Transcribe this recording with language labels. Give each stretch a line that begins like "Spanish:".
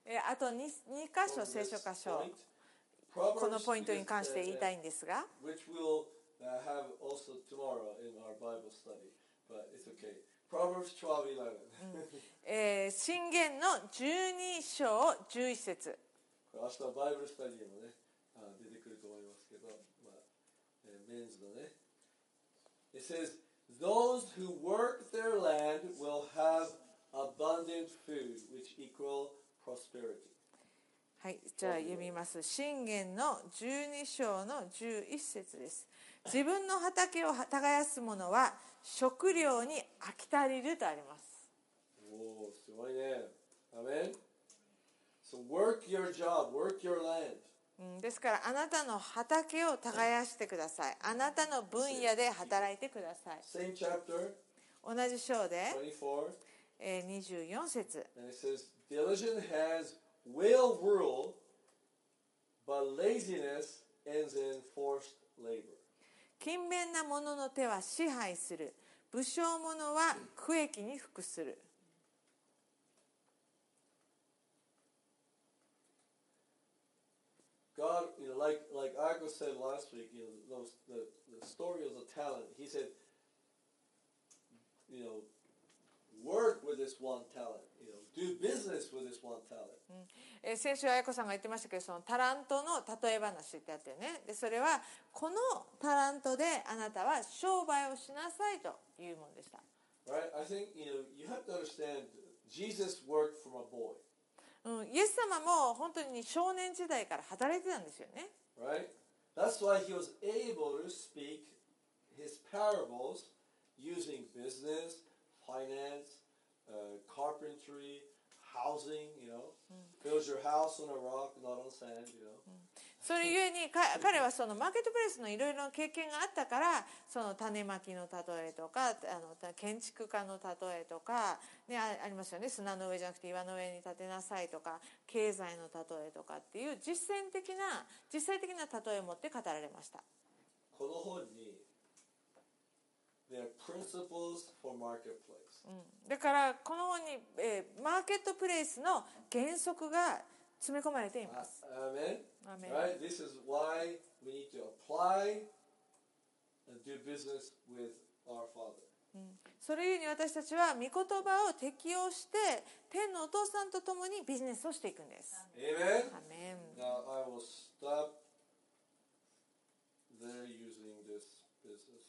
Japanese: あと 2箇所聖書箇所、このポイントに関して言いたいんですが、
English: which we'll have also tomorrow in our Bible study, but it's okay. Proverbs 12:11.
Japanese: 箴言の12章11節。これ明日の Bible study もね、出てくると思いますけど、まあ、メンズのね。
English: It says,Those who work their land will have abundant food, which equal prosperity.
Japanese: はい、じゃあ読みます。箴言の12章の11節です。自分の畑を耕す者は食料に飽き足りるとあります。おお、すごいね。アメン。
English: So work your job, work your land.
Japanese: ですからあなたの畑を耕してください。あなたの分野で働いてください。
English: Same chapter,
Japanese: 同じ章で 24 節、
English: And it says, Diligence has will rule, but laziness ends in forced labor.
Japanese: 勤勉な者の手は支配する、不精者は苦役に服する。
English: God like Arco said last week, you know, the story of the talent. He said, you know, work with this one talent. You know, do business with this one talent.
Japanese: 先週彩子さんが言ってましたけど、そのタラントの例え話ってあってね。で、それはこのタラントであなたは商売をしなさいというものでした。
English: Right? I think you know you have to understand Jesus worked from a boy.
Japanese: うん、イエス様も本当に少年時代から働いてたんですよね。
English: Right? That's why he was able to speak his parables using business, finance, carpentry, housing, you know. Build your house on a rock, not on sand, you know.
Japanese: それゆえに彼はそのマーケットプレスのいろいろな経験があったから、その種まきの例えとか、あの建築家の例えとか、ね、ありますよね、砂の上じゃなくて岩の上に建てなさいとか、経済の例えとかっていう実際的な例えを持って語られました。この本に
English: There are principles for marketplace、
Japanese: うん、だからこの本に、マーケットプレイスの原則が詰め込まれています。
English: アーメン。Right? This is why we need to apply and do business with our Father.
Japanese: それゆえに私たちは御言葉を適用して天のお父さんと共にビジネスをしていくんです。
English: Amen. Amen. Now I will stop there using this business.